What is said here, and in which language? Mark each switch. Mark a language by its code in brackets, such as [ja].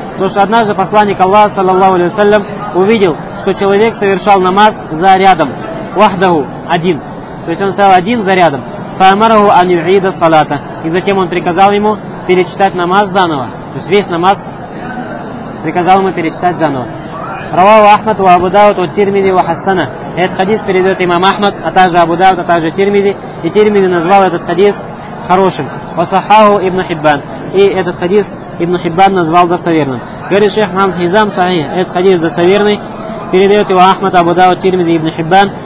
[ru] То, что однажды посланник Аллаха, саллаллаху алейхи ва саллям, увидел, что человек совершал намаз за рядом. Вахдаху. Один. То есть он стоял один за рядом. [ar] فأمره أن يعيد الصلاة. [ru] И затем он приказал ему перечитать намаз заново. То есть весь намаз приказал ему перечитать заново. [ar] رواه أحمد وأبو داود والترمذي وحسنه. [ru] Этот хадис передает имам Ахмад, а также Абу Дауд, а также Тирмизи. И Тирмизи назвал этот хадис хорошим. Васахаху ибн Хиббан. И этот хадис ибн Хиббан назвал достоверным. Говорит шейх Мухаммад Хизам, сахих. Этот хадис достоверный. Передает его Ахмад, Абу Дауд, Тирмизи ибн Хиббан.